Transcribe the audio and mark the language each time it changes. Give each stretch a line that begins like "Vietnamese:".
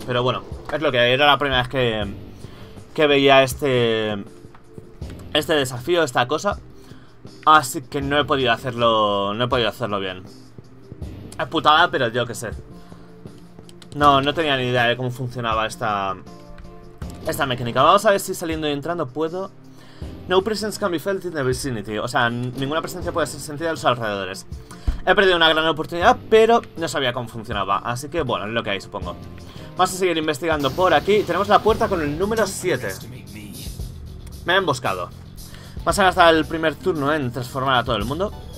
Spanish: Pero bueno, es lo que era la primera vez que... que veía este desafío, esta cosa. Así que no he podido hacerlo. No he podido hacerlo bien. Es putada, pero yo qué sé. No, no tenía ni idea de cómo funcionaba esta mecánica. Vamos a ver si saliendo y entrando puedo.
English: No presence can be felt in the vicinity.
Spanish: O sea, ninguna presencia puede ser sentida a los alrededores. He perdido una gran oportunidad, pero no sabía cómo funcionaba. Así que bueno, es lo que hay, supongo. Vamos a seguir investigando por aquí. Tenemos la puerta con el número 7. Me han emboscado. Vamos a gastar el primer turno en transformar a todo el mundo.